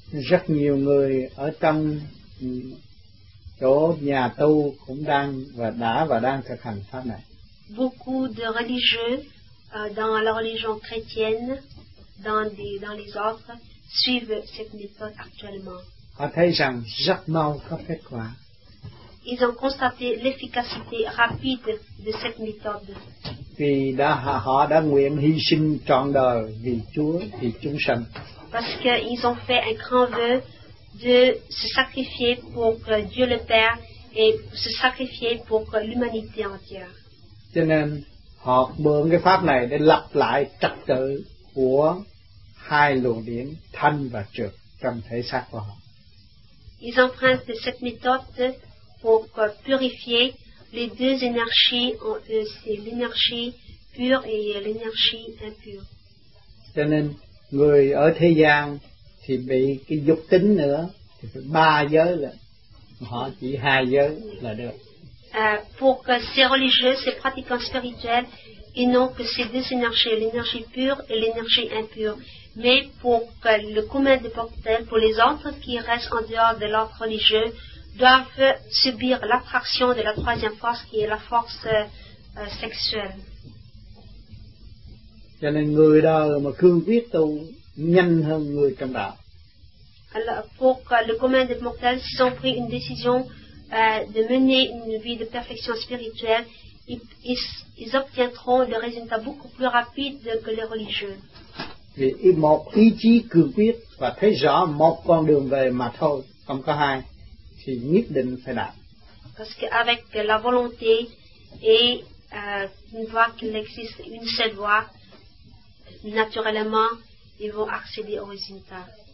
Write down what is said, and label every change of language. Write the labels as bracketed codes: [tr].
[vi] Rất nhiều người ở trong chỗ nhà tu cũng đang và đã và đang thực hành pháp này. [fr] Beaucoup de religieux dans la religion chrétienne, dans les ordres, suivent cette méthode actuellement. [vi] Họ thấy rằng rất mau có kết quả. [fr] Ils ont constaté l'efficacité rapide de cette méthode. [vi] Vì họ đã nguyện hy sinh trọn đời vì Chúa, vì chúng sanh. [fr] Parce qu'ils ont fait un grand vœu de se sacrifier pour Dieu le Père et se sacrifier pour l'humanité entière. [vi] Cho nên họ mượn cái pháp này để lập lại trật tự của hai luồng điển thanh và trược trong thể xác của họ. [fr] Ils empruntent cette méthode pour purifier les deux énergies, c'est l'énergie pure et l'énergie impure. [vi] Cho nên người ở thế gian thì bị cái dục tính nữa, thì ba giới là họ chỉ hai giới là được. [fr] Pour que ces religieux, ces pratiquants spirituels, ils n'ont que ces deux énergies, l'énergie pure et l'énergie impure. Mais pour que le commun des mortels, pour les autres qui restent en dehors de l'ordre religieux, doivent subir l'attraction de la troisième force qui est la force sexuelle. [vi] Cho nên người đời mà cương quyết tu nhanh hơn người trong đạo. [fr] Alors, pour que le commun des mortels, s'ils ont pris une décision de mener une vie de perfection spirituelle, ils obtiendront des résultats beaucoup plus rapides que les religieux. [vi] Một ý chí cương quyết và thấy rõ một con đường về mà thôi, không có hai, thì nhất định phải đạt. [fr] Parce qu'avec la volonté et une voie qu'il existe une seule voie, naturellement, ils vont accéder aux résultats.